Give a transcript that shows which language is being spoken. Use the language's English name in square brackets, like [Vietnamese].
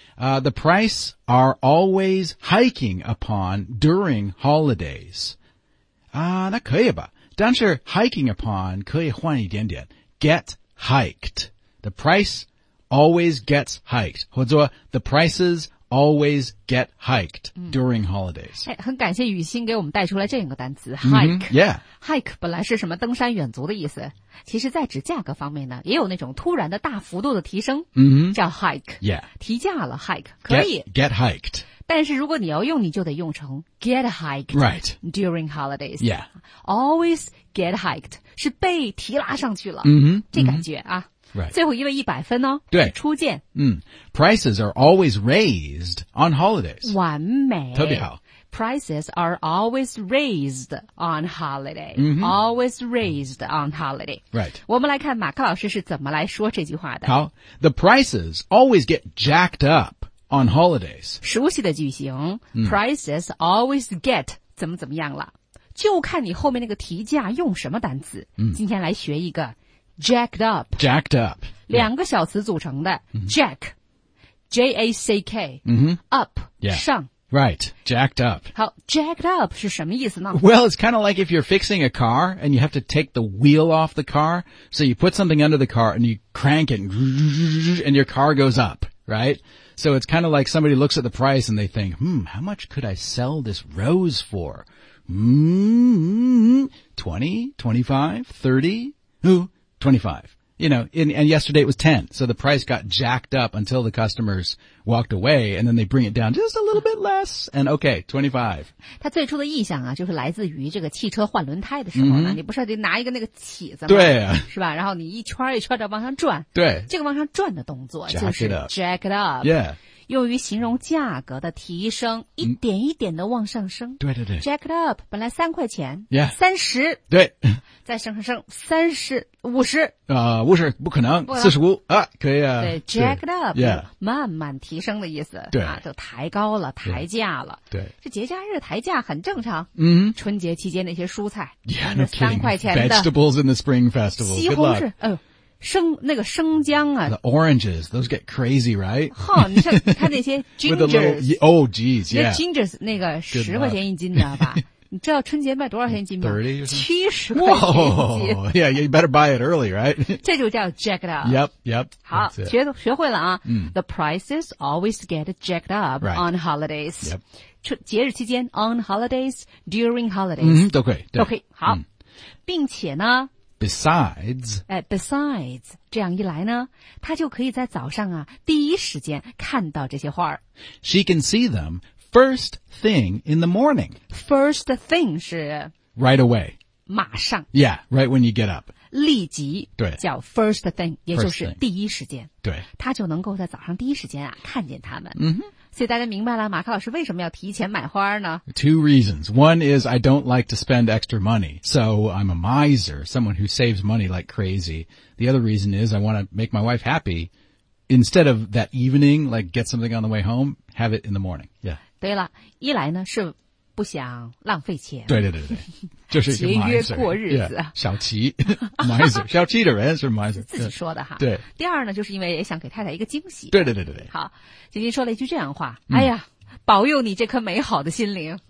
[English] The price are always hiking upon during holidays. [Chinese] 那可以吧。但是 [English] hiking upon [Chinese] 可以换一点点。 [English] Get hiked. The price always gets hiked. [Chinese] 或者 [English] the prices always get hiked during holidays.、 [Chinese] 嗯、很感谢雨欣给我们带出来这样一个单词 ,hike.、 [English] Mm-hmm, yeah. [Chinese] Hike 本来是什么登山远足的意思。其实在指价格方面呢也有那种突然的大幅度的提升、 mm-hmm. 叫 hike. [English] Yeah. [Chinese] 提价了 hike. 可以。 [English] Get hiked. [Chinese] 但是如果你要用你就得用成 [English] get hiked、 right. during holidays. Yeah. Always get hiked. [Chinese] 是被提拉上去了。嗯、mm-hmm, 这感觉啊。 [English] Mm-hmm. Right. [Chinese] 最后一位100分哦。对。初见。 [English] 嗯。Prices are always raised on holidays. [Chinese] 完美。特别好。 [English] Prices are always raised on holiday.、 Mm-hmm. Always raised on holiday. Right. [Chinese] 我们来看马克老师是怎么来说这句话的。好。 [English] The prices always get jacked up on holidays. [Chinese] 熟悉的句型。嗯、 [English] prices always get [Chinese] 怎么怎么样了。就看你后面那个提价用什么单词。嗯。今天来学一个。Jacked up. [English] Jacked up. [Chinese] 两个小词组成的、 mm-hmm. [English] Jack. J-A-C-K.、 Mm-hmm. Up.、 Yeah. [Chinese] 上 [English] Right. Jacked up. [Chinese] 好 Jacked up 是什么意思呢 [English] Well, it's kind of like if you're fixing a car and you have to take the wheel off the car. So you put something under the car and you crank it and your car goes up, right? So it's kind of like somebody looks at the price and they think, how much could I sell this rose for? 20? 25? 30? Who? 25. You know, and yesterday it was 10. So the price got jacked up until the customers walked away and then they bring it down just a little bit less and okay, 25. [Chinese] 它最初的意向啊就是来自于这个汽车换轮胎的时候呢、 mm-hmm. 你不是得拿一个那个起子吗对啊。是吧然后你一圈一圈的往上转。对。这个往上转的动作就是 [English] jack it up. Yeah. [Chinese] 用于形容价格的提升一点一点的往上升、嗯、对对对 [English] Jack it up [Chinese] 本来三块钱三十、 [English] yeah, 对 [Chinese] 再生生三十五十啊，五十不可能，四十五啊，可以啊。 [English] 对 ，jack it up， yeah， [Chinese] 慢慢提升的意思，对啊，就抬高了，抬价了。对，对这节假日抬价很正常。嗯，春节期间那些蔬菜 [English] ，yeah， no kidding， [Chinese] 三块钱的 [English] vegetables in the spring festival， [Chinese] 西红柿，生那个生姜啊 [English] ，the oranges those get crazy right？ [Chinese] 哈，你像看那些 [English] gingers，oh geez， yeah， [Chinese] gingers 那个十块钱一斤的吧。你知道春节卖多少钱一斤吗？ 70块钱一斤。 [English] Whoa, yeah, you better buy it early, right? [Chinese] 这就叫 jack it up. [English] Yep, yep. [Chinese] 好，学会了啊。嗯、 [English] The prices always get jacked up、 right. on holidays. Yep. [Chinese] 节日期间 [English] on holidays, during holidays.、 [Chinese] Mm-hmm, 都可以。都可以。好、嗯。并且呢。 [English] Besides. Besides, [Chinese] 这样一来呢他就可以在早上啊第一时间看到这些花。 [English] She can see them. First thing in the morning. First thing [Chinese] 是 [English] Right away. [Chinese] 马上 [English] Yeah, right when you get up. [Chinese] 立即对叫 first thing, 也就是第一时间。对。他就能够在早上第一时间啊看见他们。 Mm-hmm. 所以大家明白了马克老师为什么要提前买花呢 [English] Two reasons. One is I don't like to spend extra money. So I'm a miser, someone who saves money like crazy. The other reason is I want to make my wife happy. Instead of that evening, like get something on the way home, have it in the morning. Yeah. [Chinese] 对了一来呢是不想浪费钱。对对对对。就是节约过日子。 Yeah, 小齐。miser, 小齐的人是 miser。自己说的哈。对。第二呢就是因为也想给太太一个惊喜。对对对对对。好姐姐说了一句这样话、嗯。哎呀保佑你这颗美好的心灵。